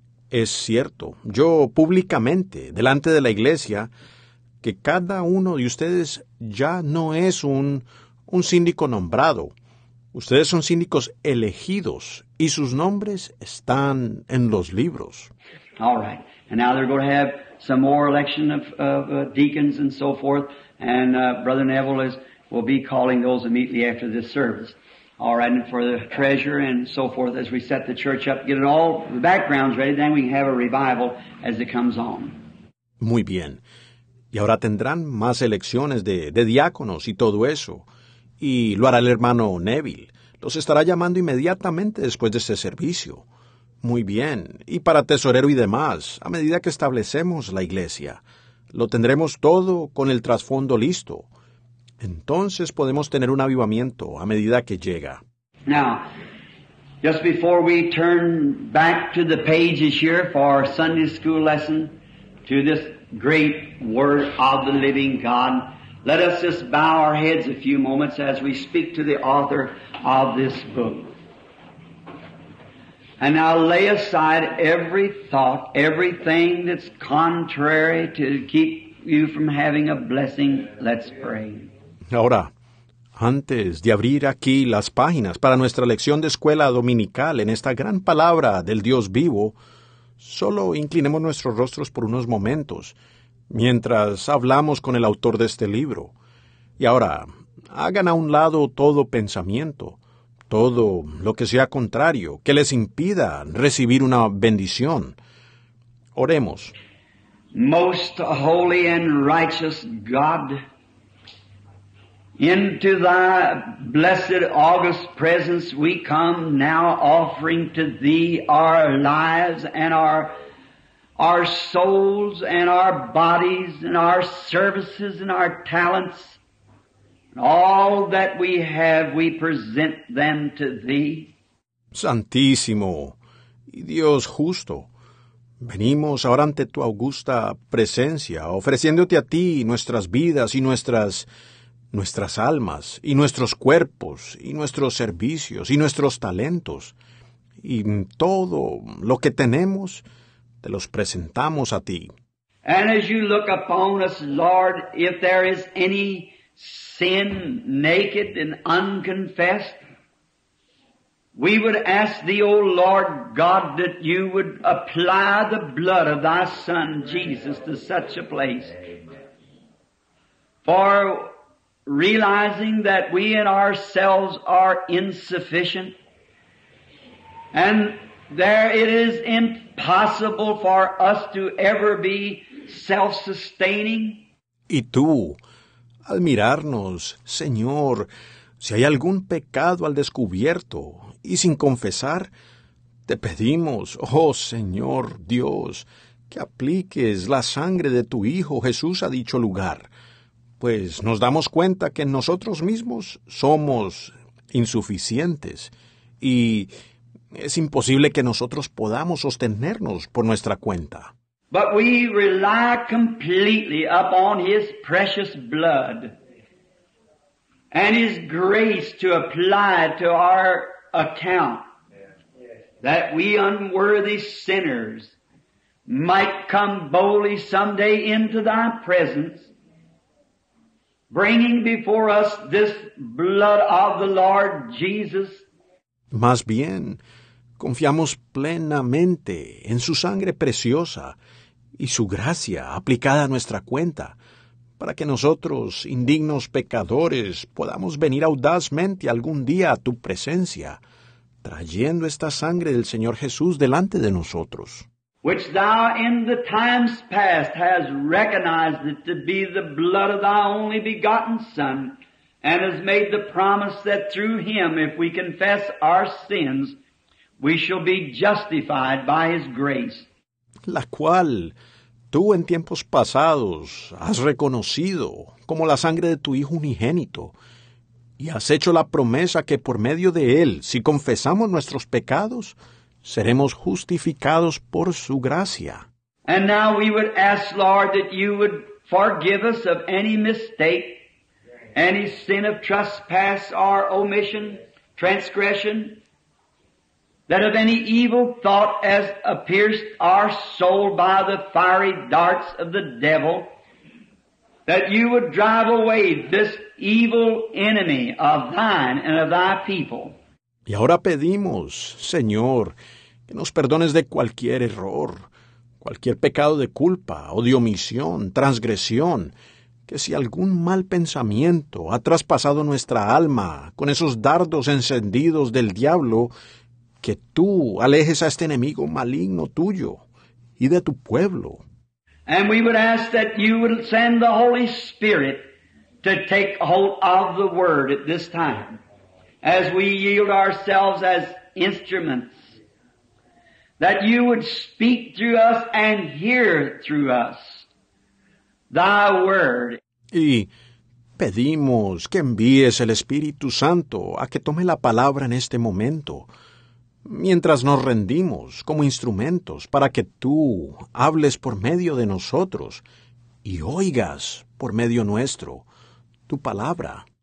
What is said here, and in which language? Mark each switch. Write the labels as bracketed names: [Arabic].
[Spanish] Es cierto, yo públicamente, delante de la iglesia, que cada uno de ustedes ya no es un síndico nombrado. Ustedes son síndicos elegidos y sus nombres están en los libros. [English] All right. And now they're going to have some more election of deacons and so forth. And Brother Neville will be calling those immediately after this service. All right. And for the treasurer and so forth, as we set the church up, get it all, the backgrounds ready, then we can have a revival as it comes on. [Spanish] Muy bien. Y ahora tendrán más elecciones de diáconos y todo eso. Y lo hará el hermano Neville. Los estará llamando inmediatamente después de este servicio. Muy bien. Y para tesorero y demás, a medida que establecemos la iglesia, lo tendremos todo con el trasfondo listo. Entonces podemos tener un avivamiento a medida que llega. [English] Now, just before we turn back to the pages here for our Sunday school lesson, to this great word of the living God, let us just bow our heads a few moments as we speak to the author of this book. And now lay aside every thought, everything that's contrary to keep you from having a blessing. Let's pray. [Spanish] Ahora, antes de abrir aquí las páginas para nuestra lección de escuela dominical en esta gran palabra del Dios vivo, solo inclinemos nuestros rostros por unos momentos mientras hablamos con el autor de este libro. Y ahora, hagan a un lado todo pensamiento, todo lo que sea contrario, que les impida recibir una bendición. Oremos. [English] Most holy and righteous God, into thy blessed august presence we come now offering to thee our lives and our souls and our bodies and our services and our talents. All that we have, we present them to thee. [Spanish] Santísimo y Dios justo, venimos ahora ante tu augusta presencia, ofreciéndote a ti nuestras vidas y nuestras almas y nuestros cuerpos y nuestros servicios y nuestros talentos y todo lo que tenemos, te los presentamos a ti. [English] And as you look upon us, Lord, if there is any sin naked and unconfessed, we would ask thee, O Lord God, that you would apply the blood of thy Son Jesus to such a place. For realizing that we in ourselves are insufficient, and there it is impossible for us to ever be self-sustaining. [Spanish] Y tú, al mirarnos, Señor, si hay algún pecado al descubierto y sin confesar, te pedimos, oh Señor Dios, que apliques la sangre de tu Hijo Jesús a dicho lugar, pues nos damos cuenta que nosotros mismos somos insuficientes y es imposible que nosotros podamos sostenernos por nuestra cuenta. [English] But we rely completely upon His precious blood and His grace to apply to our account that we unworthy sinners might come boldly someday into Thy presence, bringing before us this blood of the Lord Jesus. [Spanish] Más bien, confiamos plenamente en su sangre preciosa y su gracia aplicada a nuestra cuenta, para que nosotros, indignos pecadores, podamos venir audazmente algún día a tu presencia, trayendo esta sangre del Señor Jesús delante de nosotros. [English] Which thou in the times past has recognized it to be the blood of thy only begotten Son, and has made the promise that through him, if we confess our sins, we shall be justified by his grace. [Spanish] La cual tú en tiempos pasados has reconocido como la sangre de tu Hijo unigénito, y has hecho la promesa que por medio de él, si confesamos nuestros pecados, seremos justificados por su gracia. [English] And now we would ask, Lord, that you would forgive us of any mistake, any sin of trespass or omission, transgression, that of any evil thought as pierced our soul by the fiery darts of the devil, that you would drive away this evil enemy of thine and of thy people. [Spanish] Y ahora pedimos, Señor, que nos perdones de cualquier error, cualquier pecado de culpa o de omisión, transgresión, que si algún mal pensamiento ha traspasado nuestra alma con esos dardos encendidos del diablo, que tú alejes a este enemigo maligno tuyo y de tu pueblo. [English] And we would ask that you would send the Holy Spirit to take hold of the word at this time, as we yield ourselves as instruments, that you would speak through us and hear through us thy word. [Spanish] Y pedimos que envíes el Espíritu Santo a que tome la palabra en este momento, mientras nos rendimos como instrumentos para que tú hables por medio de nosotros y oigas por medio nuestro tu palabra.